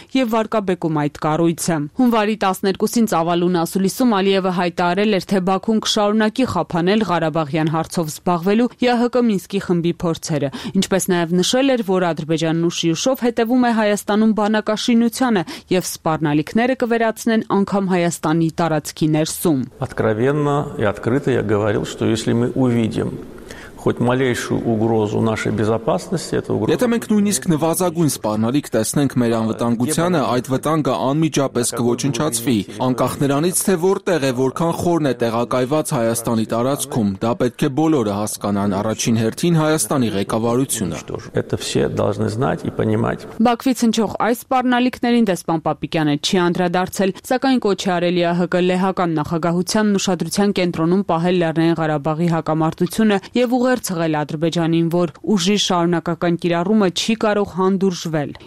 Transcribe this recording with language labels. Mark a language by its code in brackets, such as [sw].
[hy] եւ վարկաբեկում այդ կառույցը։ Հունվարի 12-ին ծավալուն ասուլիսում Ալիևը հայտարարել էր, թե Բաքուն կշարունակի խափանել Ղարաբաղյան հարցով զբաղվելու ԵԱՀԿ Մինսկի խմբի փորձերը, ինչպես նաեւ նշել էր, որ Ադրբեջանն ու Շիուշով հետևում է Հայաստանում բանակաշինությանը եւ սպառնալիքները կվերացնեն անգամ Հայաստանի տարածքի ներսում։ [ru] Откровенно и открыто я говорил, что если мы увидим хоть малейшую угрозу нашей безопасности, эта угроза. [hy] Եթե մենք նույնիսկ նվազագույն սպառնալիք տեսնենք մեր անվտանգությանը, այդ վտանգը անմիջապես կոչնչացվի, անկախ նրանից, թե որտեղ է, որքան խորն է տեղակայված Հայաստանի տարածքում, դա պետք է բոլորը հասկանան, առաջին հերթին Հայաստանի ղեկավարությունը։ [ru] Это все должны знать и понимать. [hy] Բաքվից հնչող այս սպառնալիքներին Դեսպան Պապիկյանը չի անդրադարձել, սակայն կոչ է արել ԵԱՀԿ լեհական նախագահության ուշադրության կենտրոնում պահել Լեռնային Ղարաբաղի հակամարտությունը եւ ուղերձղել Ադրբեջանին, որ ուժի շարունակական կիրառումը չի կարող հանդուրժվել։